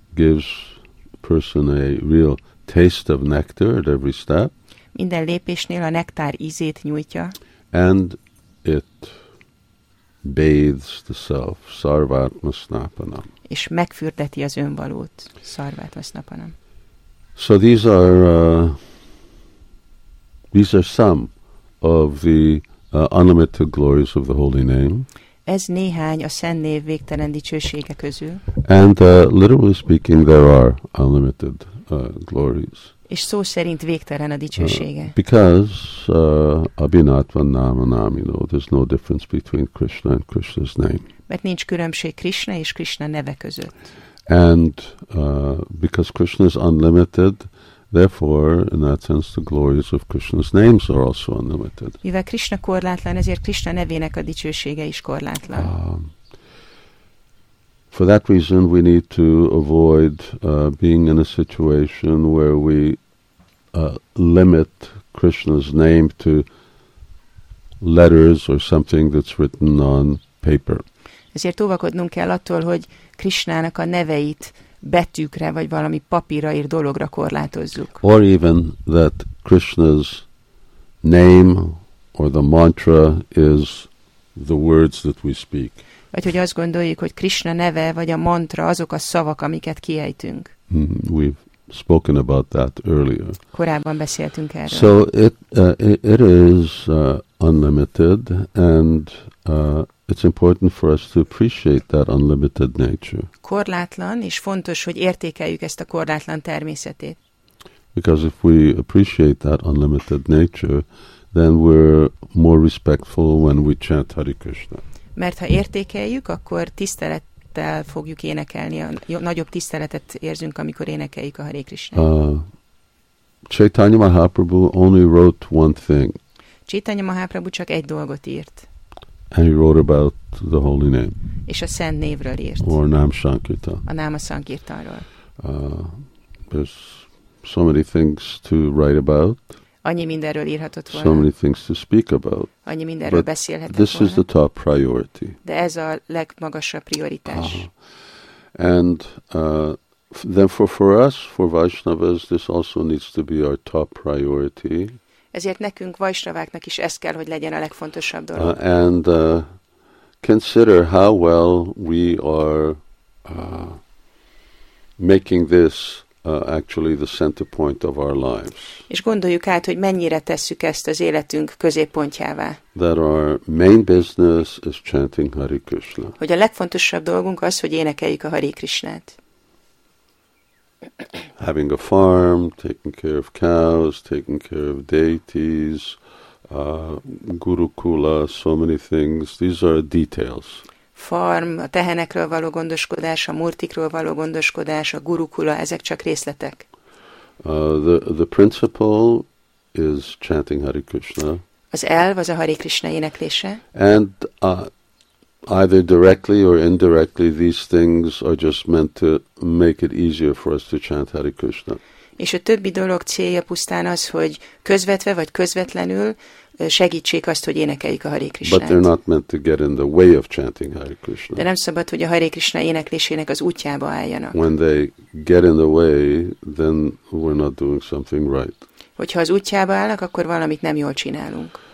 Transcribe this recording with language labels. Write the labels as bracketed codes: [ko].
[en] Gives person a real taste of nectar at every step. [hu] Minden lépésnél a nektár ízét nyújtja. [en] And it bathes the self, [sa] sarvatma snapanam. [hu] És megfürdeti az önvalót, [sa] sarvatma snapanam. [en] So these are some of the unlimited glories of the holy name. [hu] Ez néhány a szent név végtelen dicsősége közül. [en] And literally speaking, there are unlimited glories. [hu] És szó szerint végtelen a dicsősége. [en] Because [sa] abhinatva náma námino, [en] there's no difference between Krishna and Krishna's name. [hu] Mert nincs különbség Krishna és Krishna neve között. [en] And because Krishna is unlimited, therefore, in that sense, the glories of Krishna's names are also unlimited. [hu] Mivel Krishna korlátlan, ezért Krishna nevének a dicsősége is korlátlan. [en] For that reason, we need to avoid being in a situation where we limit Krishna's name to letters or something that's written on paper. [hu] Ezért óvakodnunk kell attól, hogy Krishnának a neveit betűkre vagy valami papírra ír dologra korlátozzuk. [en] Or even that Krishna's name or the mantra is the words that we speak. [hu] Vagy hogy azt gondoljuk, hogy Krishna neve vagy a mantra azok a szavak, amiket kiejtünk. [en] We've spoken about that earlier. [hu] Korábban beszéltünk erről. [en] So it is unlimited, and it's important for us to appreciate that unlimited nature. [hu] Korlátlan, és fontos, hogy értékeljük ezt a korlátlan természetét. [en] Because if we appreciate that unlimited nature, then we're more respectful when we chant Hare Krishna. [hu] Mert ha értékeljük, akkor tisztelettel fogjuk énekelni, nagyobb tiszteletet érzünk, amikor énekeljük a Hare Krishna. [en] Chaitanya Mahaprabhu only wrote one thing. [hu] Chaitanya Mahaprabhu csak egy dolgot írt. [en] And he wrote about the holy name. [hu] És a szent névről írt. [en] Or Nam Sankirtan. [hu] A Náma Sankirtanról. [en] There's so many things to write about. [hu] Annyi mindenről írhatott volna. [en] So many things to speak about. [hu] Annyi mindenről beszélhetett [en] this [hu] volna. [en] Is the top priority. [hu] De ez a legmagasabb prioritás. [en] And then for us, for Vaishnavas, this also needs to be our top priority. [hu] Ezért nekünk, Vaishnaváknak is ez kell, hogy legyen a legfontosabb dolog. [en] Consider how well we are making this actually the center point of our lives. [hu] És gondoljuk át, hogy mennyire tesszük ezt az életünk középpontjává. [en] That our main business is chanting Hare Krishna. [hu] Hogy a legfontosabb dolgunk az, hogy énekeljük a Hare Krishnát. [en] Having a farm, taking care of cows, taking care of deities, gurukula, so many things. These are details. [hu] Farm, a tehenekről való gondoskodás, a murtikról való gondoskodás, a gurukula, ezek csak részletek. [en] The principle is chanting Hare Krishna. [hu] Az elv az a Hare Krishna éneklése. [en] And either directly or indirectly, these things are just meant to make it easier for us to chant Hare Krishna. [hu] És a többi dolog célja pusztán az, hogy közvetve vagy közvetlenül segítsék azt, hogy énekeljük a Hare Krishnát. [en] But they're not meant to get in the way of chanting Hare Krishna. [hu] De nem szabad, hogy a Hare Krishna éneklésének az útjába álljanak. [en] When they get in the way, then we're not doing something right. [hu] Hogyha az útjába állnak, akkor valamit nem jól csinálunk.